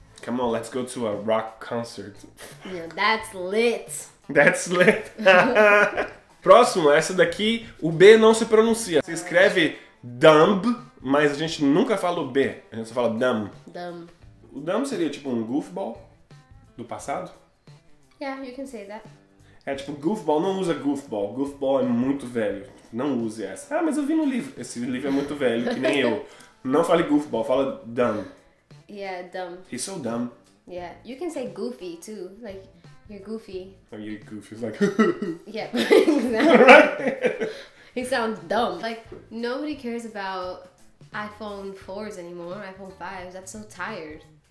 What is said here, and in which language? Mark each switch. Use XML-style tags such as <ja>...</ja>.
<en>Come on, let's go to a rock concert. Yeah, that's lit. That's lit.</en> <pt>Próximo, essa daqui, o B não se pronuncia. Se escreve dumb. Mas a gente nunca fala o B, a gente só fala dumb.</pt> <en>Dumb.</en> <pt>O dumb seria tipo um goofball? Do passado?</pt> <en>Yeah, you can say that.</en> <pt>É tipo, goofball, não usa goofball. Goofball é muito velho. Não use essa. Ah, mas eu vi no livro. Esse livro é muito velho, que nem eu. Não fale goofball, fala dumb.</pt> <en>Yeah, dumb. He's so dumb. Yeah, you can say goofy too. Like, you're goofy. Oh, you're goofy. It's like, yeah, exactly. Right? He sounds dumb. Like, nobody cares about iPhone 4s anymore, iPhone 5s. That's so tired.</en>